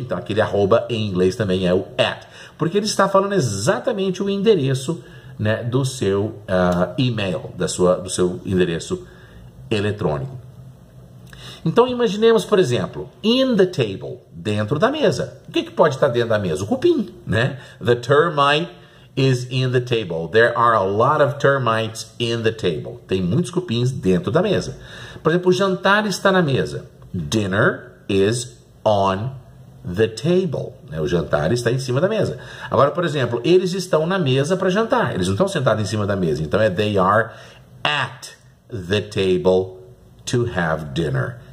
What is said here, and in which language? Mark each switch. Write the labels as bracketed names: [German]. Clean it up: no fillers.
[Portuguese] Então, aquele arroba em inglês também é o at, porque ele está falando exatamente o endereço, né, do seu e-mail, do seu endereço eletrônico. Então, imaginemos, por exemplo, [English] in the table, [Portuguese] dentro da mesa. O que pode estar dentro da mesa? O cupim, né? [English] The termite is in the table. There are a lot of termites in the table. [Portuguese] Tem muitos cupins dentro da mesa. Por exemplo, o jantar está na mesa. [English] Dinner is on the table. [Portuguese] O jantar está em cima da mesa. Agora, por exemplo, eles estão na mesa para jantar. Eles não estão sentados em cima da mesa. Então, é [English] they are at the table to have dinner.